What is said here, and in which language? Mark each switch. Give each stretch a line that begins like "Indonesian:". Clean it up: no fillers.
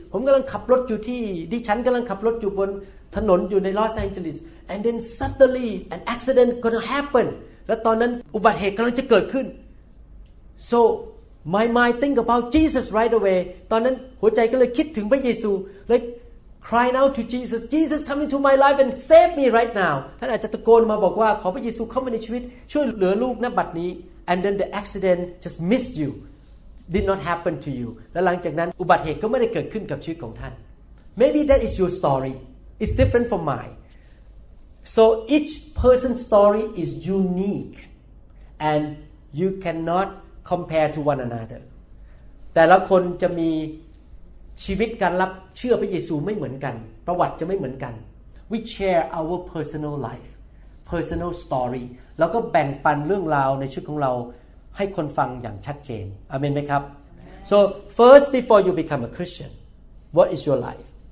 Thai: ผมกำลังขับรถอยู่ที่ดิฉันกำลังขับรถอยู่บนถนนอยู่ใน Los Angeles.
English: And then suddenly an accident gonna happen.
Thai: และตอนนั้นอุบัติเหตุกำลังจะเกิดขึ้น
English: SoMy mind think about Jesus right away.
Thai: ตอนนั้นหัวใจก็เลยคิดถึงพระเยซู
English: like crying out to Jesus. Jesus come into my life and save me right now.
Thai: ท่านอาจจะตะโกนมาบอกว่าขอพระเยซูเข้ามาในชีวิตช่วยเหลือลูกณบัดนี้
English: And then the accident just missed you. Did not happen to you.
Thai: และหลังจากนั้นอุบัติเหตุก็ไม่ได้เกิดขึ้นกับชีวิตของท่าน
English: Maybe that is your story. It's different from mine. So each person's story is unique. And you cannotcompare to one another
Thai: แต่ละคนจะมีชีวิตการรับเชื่อพระเยซูไม่เหมือนกันประวัติจะไม่เหมือนกัน
English: we share our personal life personal story
Thai: แล้วก็แบ่งปันเรื่องราวในชีวิตของเราให้คนฟังอย่างชัดเจนอาเมนไหมครับ
English: so first before you become a Christian what is your life